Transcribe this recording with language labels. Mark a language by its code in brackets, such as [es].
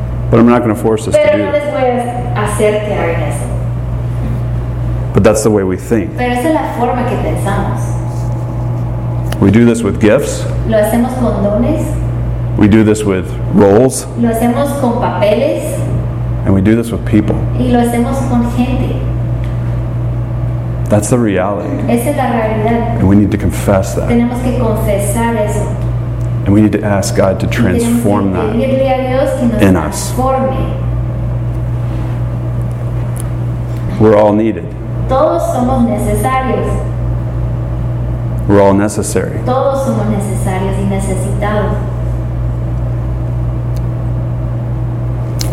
[en] But I'm not going to force us to do that. But that's the way we think. [es] Pero esa es la forma que pensamos. [en] We do this with gifts. [es] Lo hacemos con dones. [en] We do this with roles. [es] Lo hacemos con papeles. [en] And we do this with people. [es] Y lo hacemos con gente. [en] That's the reality. [es] Esa es la realidad. [en] And we need to confess that. [es] Tenemos que confesar eso. [en] And we need to ask God to transform that in us. We're all needed. [es] Todos somos necesarios. [en] We're all necessary. [es] Todos somos necesarios y necesitados.